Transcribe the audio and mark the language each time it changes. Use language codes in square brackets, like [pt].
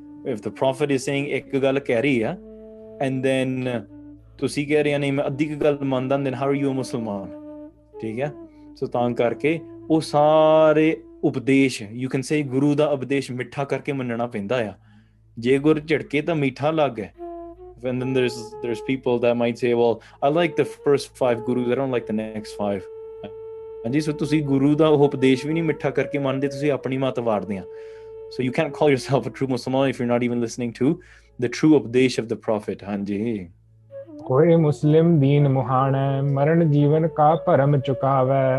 [en] if the prophet is saying [pa] ਇੱਕ ਗੱਲ ਕਹਿ ਰਹੀ ਆ, ਐਂਡ ਦੈਨ ਤੁਸੀਂ ਕਹਿ ਰਹੇ ਹੋ ਨਹੀਂ ਮੈਂ ਅੱਧੀ ਕੁ ਗੱਲ ਮੰਨਦਾ, [en] Then how are you a Musalman? [pa] ਠੀਕ ਹੈ, ਸੋ ਤਾਂ ਕਰਕੇ ਉਹ ਸਾਰੇ ਉਪਦੇਸ਼, [en] you can say [pa] ਗੁਰੂ ਦਾ ਉਪਦੇਸ਼, ਮਿੱਠਾ ਕਰਕੇ ਮੰਨਣਾ ਪੈਂਦਾ ਆ. ਜੇ ਗੁਰ ਝਿੜਕੇ ਤਾਂ ਮਿੱਠਾ ਲੱਗ ਹੈ. [en] And then there's people that might say, well, I like the first 5 gurus, I don't like the next 5. [pa] ਹਾਂਜੀ, ਸੋ ਤੁਸੀਂ ਗੁਰੂ ਦਾ ਉਹ ਉਪਦੇਸ਼ ਵੀ ਨਹੀਂ ਮਿੱਠਾ ਕਰਕੇ ਮੰਨਦੇ, ਤੁਸੀਂ ਆਪਣੀ ਮਤ ਵਾਰਦੇ ਆ. [en] So you can't call yourself a true Musalman if you not even listening to the true updesh of the prophet. ਹਾਂਜੀ, [pa] ਕੋਈ ਮੁਸਲਿਮ ਦੀਨ ਮੁਹਾਣ ਹੈ ਮਰਨ ਜੀਵਨ ਕਾ ਭਰਮ ਚੁਕਾਵੇ.